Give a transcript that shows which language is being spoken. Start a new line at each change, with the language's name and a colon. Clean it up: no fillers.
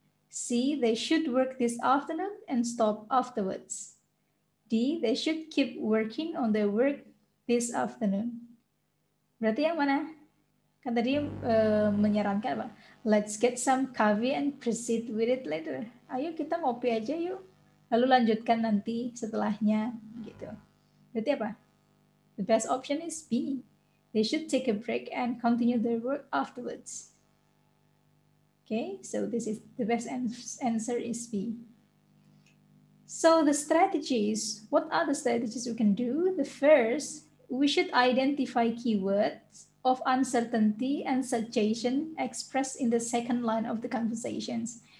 English: C, they should work this afternoon and stop afterwards. D, they should keep working on their work this afternoon.
Indonesian: Berarti yang mana? Kan tadi menyarankan apa?
English: Let's get some coffee and proceed with it later.
Indonesian: Ayo kita ngopi aja yuk. Lalu lanjutkan nanti setelahnya. Gitu. Berarti apa?
English: The best option is B. They should take a break and continue their work afterwards. Okay, so this is the best answer is B. So the strategies, what are the strategies we can do? The first, we should identify keywords of uncertainty and suggestion expressed in the second line of the conversations.